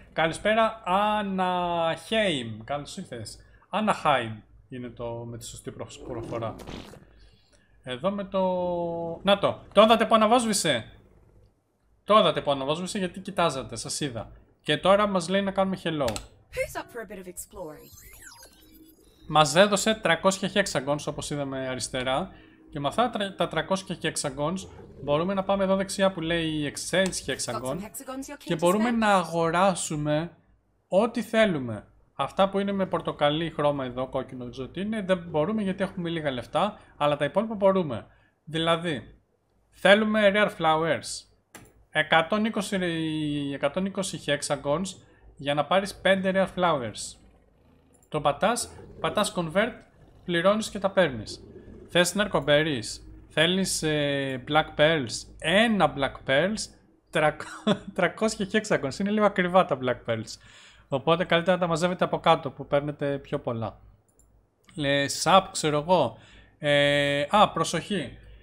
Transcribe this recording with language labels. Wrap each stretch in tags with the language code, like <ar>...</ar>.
<el>Καλησπέρα, Anaheim. Καλώς ήρθες. Anaheim είναι το με τη σωστή προφορά. Εδώ με το... Να το! Το είδατε που αναβόσβησε! Το είδατε που αναβόσβησε γιατί κοιτάζατε, σας είδα. Και τώρα μας λέει να κάνουμε hello.</el> <en>Who's up for a bit of exploring?</en> <el>Μας έδωσε 300 hexagons όπως είδαμε αριστερά. Και με αυτά τα 300 hexagons μπορούμε να πάμε εδώ δεξιά που λέει exchange hexagon και μπορούμε να αγοράσουμε ό,τι θέλουμε. Αυτά που είναι με πορτοκαλί χρώμα εδώ, κόκκινο, δεν ξέρω τι είναι, δεν μπορούμε γιατί έχουμε λίγα λεφτά, αλλά τα υπόλοιπα μπορούμε. Δηλαδή, θέλουμε rare flowers. 120 hexagons για να πάρεις 5 rare flowers. Το πατάς, πατάς convert, πληρώνεις και τα παίρνεις. Θες narcoberries, θέλεις black pearls, ένα black pearls, 300 hexagons. Είναι λίγο ακριβά τα black pearls. Οπότε καλύτερα να τα μαζεύετε από κάτω που παίρνετε πιο πολλά. Sap, ξέρω εγώ. Προσοχή.</el>